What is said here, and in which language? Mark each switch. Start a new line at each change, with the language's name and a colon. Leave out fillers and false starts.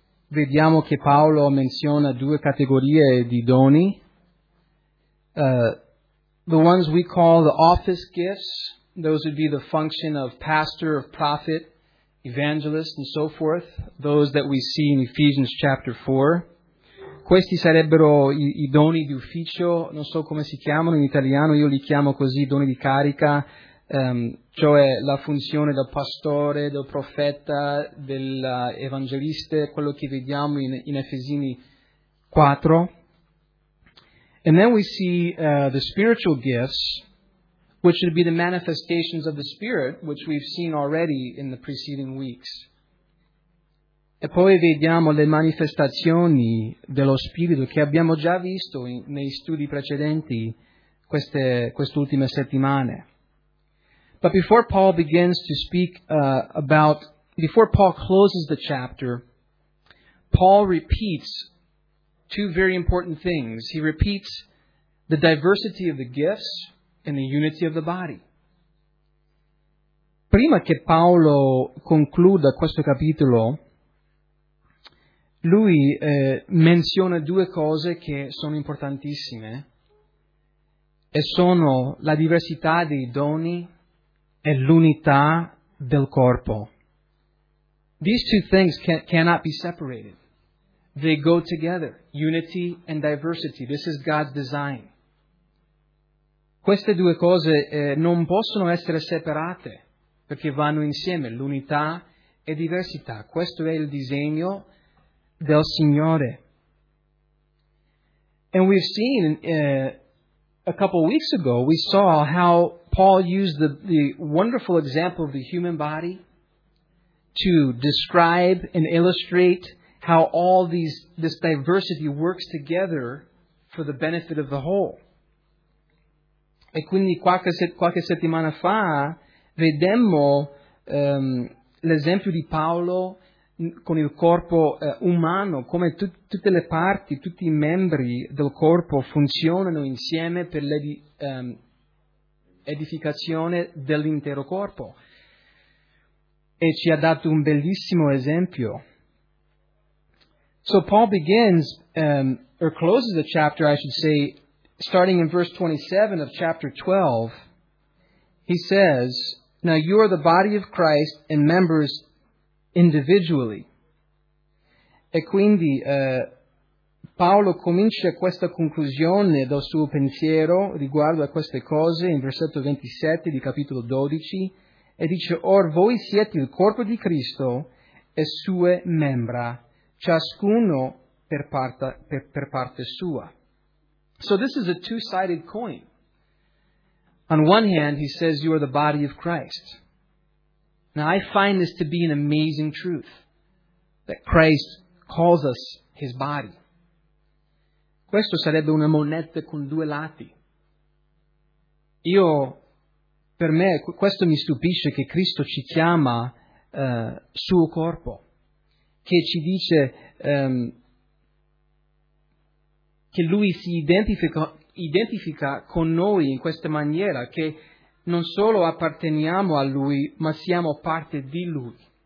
Italian: Vediamo che Paolo menziona due categorie di doni.
English: The ones we call the office gifts, those would be the function of pastor, of prophet, evangelist, and so forth, those that we see in Ephesians chapter 4.
Italian: Questi sarebbero i doni di ufficio, non so come si chiamano in italiano, io li chiamo così, doni di carica, cioè la funzione del pastore, del profeta, dell'evangelista, quello che vediamo in Efesini 4.
English: And then we see the spiritual gifts, which would be the manifestations of the Spirit, which we've seen already in the preceding weeks.
Italian: E poi vediamo le manifestazioni dello Spirito che abbiamo già visto nei studi precedenti queste ultime settimane.
English: But before Paul begins to speak before Paul closes the chapter, Paul repeats two very important things. He repeats the diversity of the gifts and the unity of the body.
Italian: Prima che Paolo concluda questo capitolo, lui menziona due cose che sono importantissime, e sono la diversità dei doni e l'unità del corpo.
English: These two things cannot be separated. They go together, unity and diversity. This is God's design.
Italian: Queste due cose non possono essere separate, perché vanno insieme, l'unità e diversità. Questo è il disegno del Signore.
English: And we've seen, a couple of weeks ago, we saw how Paul used the wonderful example of the human body to describe and illustrate how all this diversity works together for the benefit of the whole.
Italian: E quindi qualche settimana fa vedemmo l'esempio di Paolo con il corpo umano, come tutte le parti, tutti i membri del corpo funzionano insieme per l'edificazione dell'intero corpo. E ci ha dato un bellissimo esempio.
English: So Paul begins, or closes the chapter, I should say, starting in verse 27 of chapter 12, he says, "Now you are the body of Christ and members individually."
Italian: E quindi Paolo comincia questa conclusione del suo pensiero riguardo a queste cose in versetto 27 di capitolo 12 e dice, "Or voi siete il corpo di Cristo e sue membra, ciascuno per parte sua."
English: So this is a two-sided coin. On one hand, he says, you are the body of Christ. Now, I find this to be an amazing truth, that Christ calls us his body.
Italian: Questo sarebbe una moneta con due lati. Io, per me, questo mi stupisce che Cristo ci chiama suo corpo, che ci dice che lui si identifica con noi in questa maniera, che non solo apparteniamo a lui, ma siamo parte di lui.